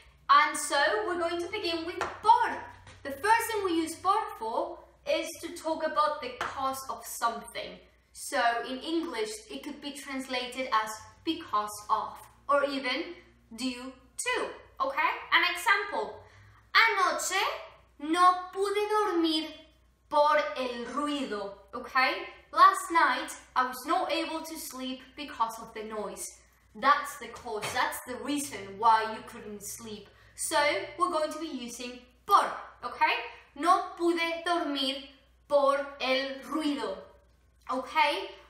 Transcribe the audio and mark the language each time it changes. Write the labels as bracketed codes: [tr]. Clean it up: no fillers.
[en] And so we're going to begin with por. The first thing we use por for is to talk about the cause of something. So in English, it could be translated as because of, or even due to, okay? An example. [es] Anoche no pude dormir por el ruido, okay? [en] Last night, I was not able to sleep because of the noise. That's the cause, that's the reason why you couldn't sleep. So, we're going to be using por, okay? [es] No pude dormir por el ruido, okay?